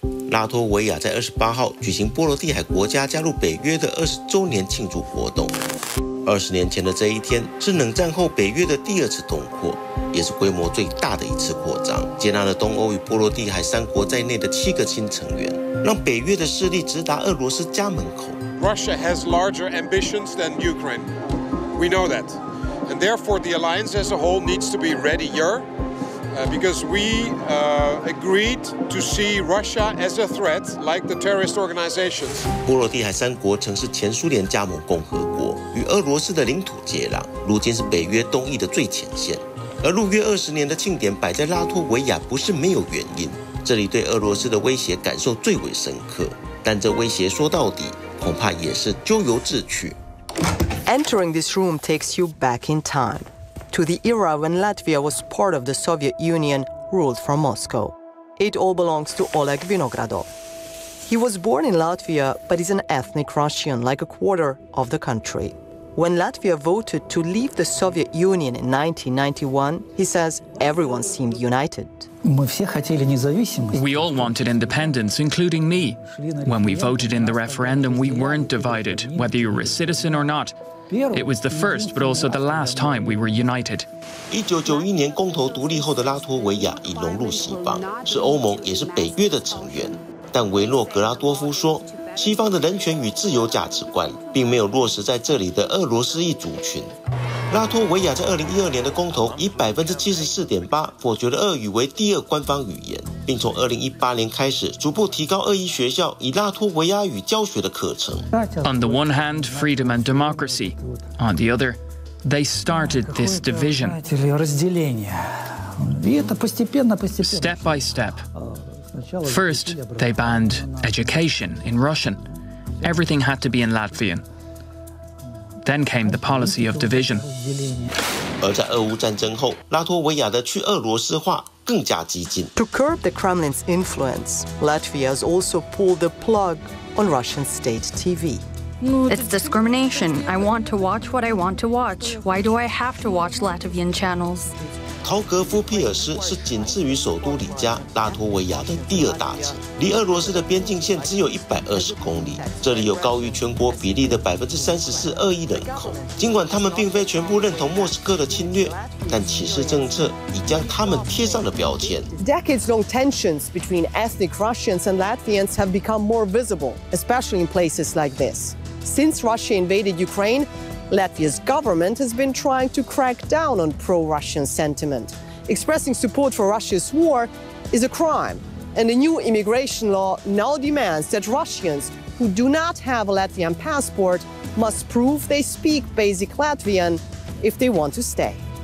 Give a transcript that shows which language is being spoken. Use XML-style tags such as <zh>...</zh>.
<zh>拉脱维亚在28号举行波罗的海国家加入北约的20周年庆祝活动。 20年前的这一天是冷战后北约的第二次东扩，也是规模最大的一次扩张，接纳了东欧与波罗的海三国在内的7个新成员，让北约的势力直达俄罗斯家门口。</zh> <en>Russia has larger ambitions than Ukraine. We know that, and therefore the alliance as a whole needs to be readier, because we agreed to see Russia as a threat, like the terrorist organizations.</en> <zh>波罗的海三国曾是前苏联加盟共和国，与俄罗斯的领土接壤，如今是北约东翼的最前线。而入约20年的庆典摆在拉脱维亚不是没有原因，这里对俄罗斯的威胁感受最为深刻，但这威胁说到底恐怕也是咎由自取。</zh> <en>Entering this room takes you back in time to the era when Latvia was part of the Soviet Union ruled from Moscow. It all belongs to Oleg Vinogradov. He was born in Latvia but is an ethnic Russian like a quarter of the country. When Latvia voted to leave the Soviet Union in 1991, he says everyone seemed united. We all wanted independence, including me. When we voted in the referendum, we weren't divided, whether you were a citizen or not. It was the first, but also the last time we were united.</en> <zh>1991年公投独立后的拉脱维亚已融入西方，是欧盟也是北约的成员。但维诺格拉多夫说，西方的人权与自由价值观并没有落实在这里的俄罗斯裔族群。拉脱维亚在2012年的公投以74.8%否决了俄语为第二官方语言，并从2018年开始逐步提高俄裔学校以拉脱维亚语教学的课程。</zh> <en>On the one hand, freedom and democracy. On the other, they started this division. Step by step. First, they banned education in Russian. Everything had to be in Latvian. Then came the policy of division.</en> <zh>而在俄乌战争后，拉脱维亚的去俄罗斯化更加激进。</zh> <en>To curb the Kremlin's influence, Latvia has also pulled the plug on Russian state TV. It's discrimination. I want to watch what I want to watch. Why do I have to watch Latvian channels?</en> <zh>陶格夫皮尔斯是仅次于首都里加拉脱维亚的第二大城，离俄罗斯的边境线只有120公里，这里有高于全国比例的34%俄裔人口，尽管他们并非全部认同莫斯科的侵略，但歧视政策已将他们贴上了标签。</zh> <en>Decades long tensions between ethnic Russians and Latvians have become more visible, especially in places like this. Since Russia invaded UkraineLatvia's government has been trying to crack down on pro-Russian sentiment. Expressing support for Russia's war is a crime, and a new immigration law now demands that Russians who do not have a Latvian passport must prove they speak basic Latvian if they want to stay.</en>